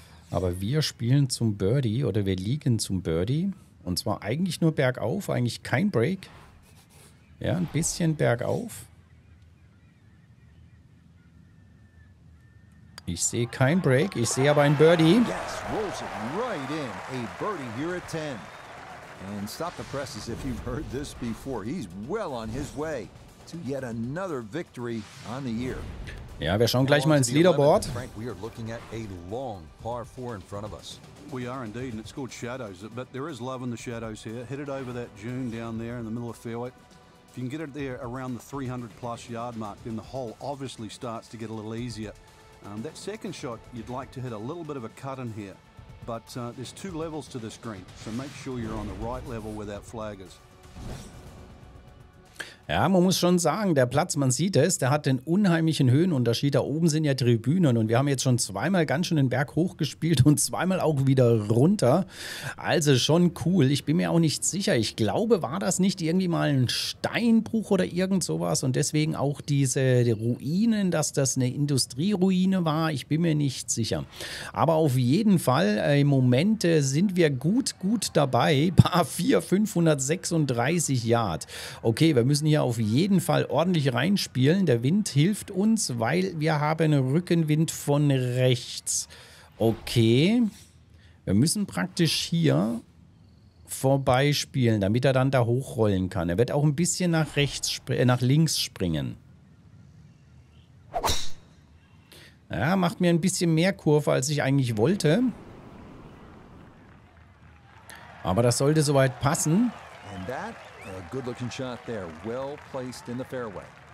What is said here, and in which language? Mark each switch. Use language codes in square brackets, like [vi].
[de] Aber wir spielen zum Birdie oder wir liegen zum Birdie. Und zwar eigentlich nur bergauf, eigentlich kein Break. Ja, ein bisschen bergauf. Ich sehe kein Break, ich sehe aber ein Birdie. [en] Yes, rolls it right in. A birdie here at 10. And stop the presses if you've heard this before. He's well on his way to yet another victory on the year. [de] Ja, wir schauen gleich mal ins Leaderboard. [en] Frank, we are looking at a long par 4 in front of us. We are indeed, and it's called shadows, but there is love in the shadows here. Hit it over that dune down there in the middle of fairway. If you can get it there around the 300 plus yard mark, then the hole obviously starts to get a little easier. That second shot, you'd like to hit a little bit of a cut in here, but there's 2 levels to this green, so make sure you're on the right level where that flag is. [de] Ja, man muss schon sagen, der Platz, man sieht es, der hat den unheimlichen Höhenunterschied. Da oben sind ja Tribünen und wir haben jetzt schon zweimal ganz schön den Berg hochgespielt und zweimal auch wieder runter. Also schon cool. Ich bin mir auch nicht sicher. Ich glaube, war das nicht irgendwie mal ein Steinbruch oder irgend sowas und deswegen auch diese Ruinen, dass das eine Industrieruine war. Ich bin mir nicht sicher. Aber auf jeden Fall, im Moment sind wir gut dabei. Par 4, 536 Yard. Okay, wir müssen hier auf jeden Fall ordentlich reinspielen. Der Wind hilft uns, weil wir haben Rückenwind von rechts. Okay. Wir müssen praktisch hier vorbeispielen, damit er dann da hochrollen kann. Er wird auch ein bisschen nach rechts, nach links springen. Ja, macht mir ein bisschen mehr Kurve, als ich eigentlich wollte. Aber das sollte soweit passen. [en] A good-looking shot there, well placed in the fairway.